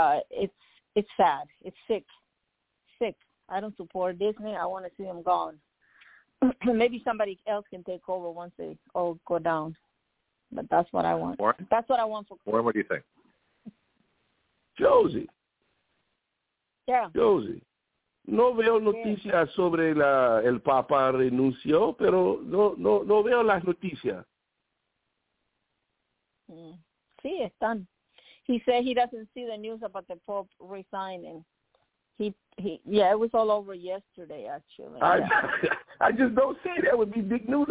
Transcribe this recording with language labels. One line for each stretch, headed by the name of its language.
English: It's sad. It's sick. Sick. I don't support Disney. I want to see them gone. Maybe somebody else can take over once they all go down. But that's what I want. Warren? That's what I want for Christmas. Warren, what do you think? Josie. Yeah. Josie.
Spanish: No veo noticias sobre la el Papa renunció, pero no veo las noticias. Sí, están.
English: He said he doesn't see the news about the Pope resigning. It was all over yesterday, actually. I just don't see it. That would be big news.